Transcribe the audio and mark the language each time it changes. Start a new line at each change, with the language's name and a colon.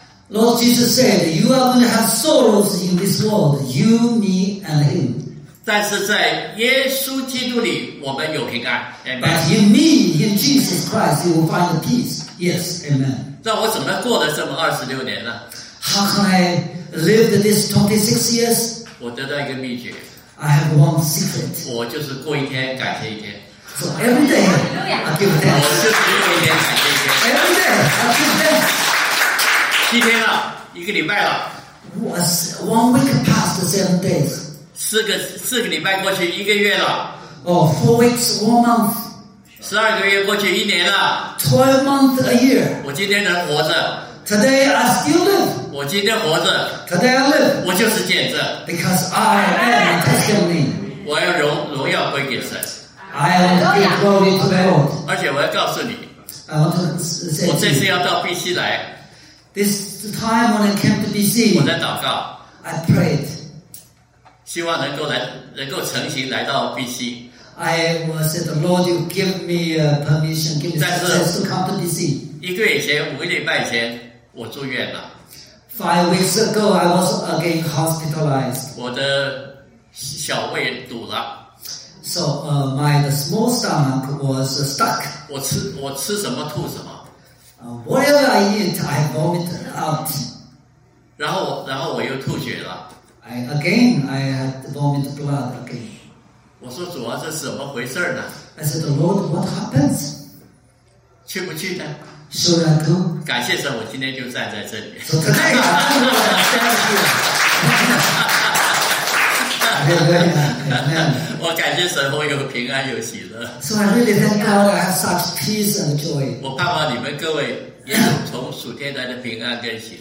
English: Lord Jesus said, "You are going to have sorrows in this world, you, me, and him."
Chinese: 但是在耶稣基督里我们有平安。
English: But in me, in Jesus Christ, you will find peace. Yes, amen.
Chinese: 那我怎么过了这么26年呢？
English: How can I live this 26 years?
Chinese: 我得到一个秘诀。
English: I have one secret.
Chinese: 我就是过一天感谢一天。
English: So every day, I'll give thanks.
Chinese: 我就是过一天感谢一天。七天了，一个礼拜了。
English: One week past seven days.
Chinese: 四个礼拜过去，一个月了。
English: Oh, 4 weeks, 1 month.
Chinese: 12个月过去，一年了。
English: 12 months, a year.
Chinese: 我今天能活着。
English: Today I still live.
Chinese: 我今天活着。
English: Today I live.
Chinese: 我就是见证。
English: Because I am a testimony.
Chinese: 我要荣耀归给神。
English: I am a glory to the Lord.
Chinese: 而且我要告诉你。
English: I want to say.
Chinese: 我这次要到 BC 来。
English: This time when I came to BC.
Chinese: 我在祷告。
English: I prayed.
Chinese: 希望能够成行来到 BC.
English: I will say the Lord, you give me permission, give me access to come to BC.
Chinese: 一个月前，五个礼拜前，我住院了。
English: 5 weeks ago, I was again hospitalized.
Chinese: 我的小胃堵了。
English: So, my small stomach was stuck.
Chinese: 我吃什么吐什么。
English: Whatever I eat, I vomit out.
Chinese: 然后我又吐血了。
English: I had vomit blood again.
Chinese: 我说主啊，这是怎么回事呢？
English: I said, Lord, what happens?
Chinese: 去不去呢？
English: Should I go?
Chinese: 感谢神，我今天就站在这里。
English: So today, I'm going to stand here.
Chinese: 我感谢神，我有平安有喜乐。
English: So I really thank God, I have such peace and joy.
Chinese: 我盼望你们各位也有从属天来的平安跟喜